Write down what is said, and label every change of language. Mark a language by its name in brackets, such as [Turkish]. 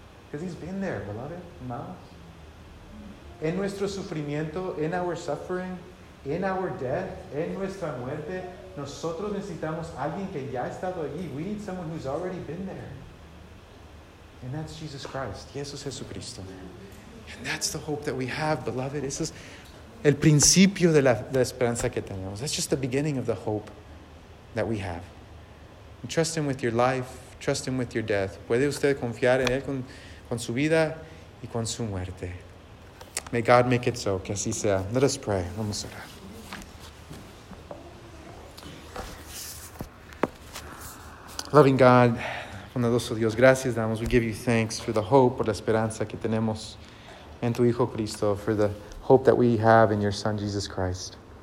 [English] Because he's been there, beloved. [Spanish] Más. En nuestro sufrimiento, [English] in our suffering, in our death, [Spanish] en nuestra muerte, nosotros necesitamos alguien que ya ha estado allí. [English] We need someone who's already been there. And that's Jesus Christ. [Spanish] Y eso es Jesucristo. [English] And that's the hope that we have, beloved. [Spanish] Eso es el principio de la esperanza que tenemos. [English] That's just the beginning of the hope that we have. And trust him with your life. Trust him with your death. [Spanish] Puede usted confiar en él con su vida y con su muerte. [English] May God make it so, [Spanish] que así sea. [English] Let us pray. [Spanish] Vamos a orar. [English] Loving God, [Spanish] bondadoso Dios, gracias damos. [English] We give you thanks for the hope, [Spanish] por la esperanza que tenemos en tu Hijo Cristo, [English] for the hope that we have in your Son, Jesus Christ.